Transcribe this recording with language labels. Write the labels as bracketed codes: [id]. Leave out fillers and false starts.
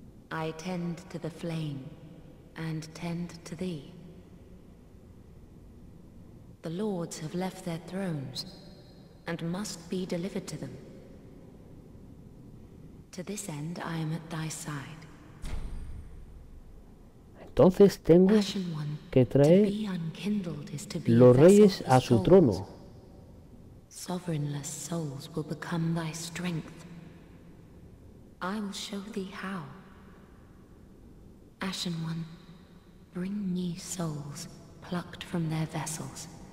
[en] I tend to the flame and tend to thee. The lords have left their thrones and must be delivered to them. To this end, I am at thy side. [es] Entonces tengo que traer los reyes a su trono. [en] Sovereignless souls will become thy strength. I will show thee how. Ashen One, bring me souls plucked from their vessels.